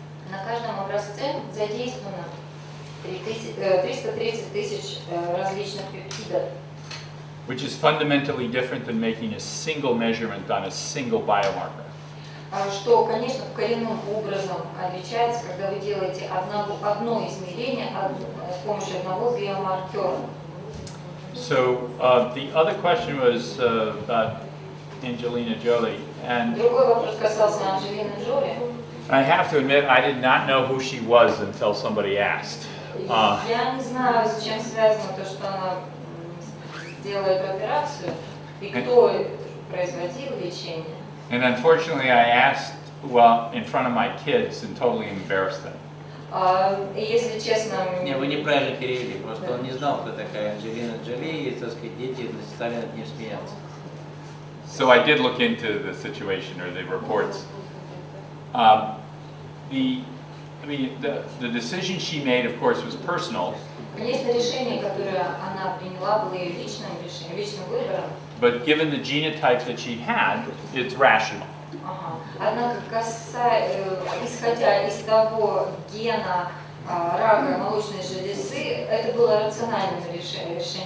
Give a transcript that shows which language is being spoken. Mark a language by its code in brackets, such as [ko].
[ru] На каждом образце задействовано 330 тысяч различных пептидов. [en] Which is fundamentally different than making a single measurement on a single biomarker. [ru] Что, конечно, коренным образом отличается, когда вы делаете одно измерение с помощью одного биомаркера. [en] So, the other question was about Angelina Jolie. And [ru] другой вопрос касался Анджелины Джоли. [en] I have to admit, I did not know who she was until somebody asked. [ru] Я не знаю, с чем связано то, что она делает операцию, и кто производил лечение. [en] And unfortunately, I asked, well, in front of my kids and totally embarrassed them. [ru] Если честно... Не, вы неправильно перевели, просто он не знал, кто такая Анджелина Джоли, и, так сказать, дети стали над ним смеяться. [en] So I did look into the situation, or the reports. The decision she made, of course, was personal. [ru] Конечно, решение, которое она приняла, было ее личным решением, личным выбором. [en] But given the genotype that she had, it's rational. [ru] Однако, исходя из того гена рака молочной железы, это было рациональное решение.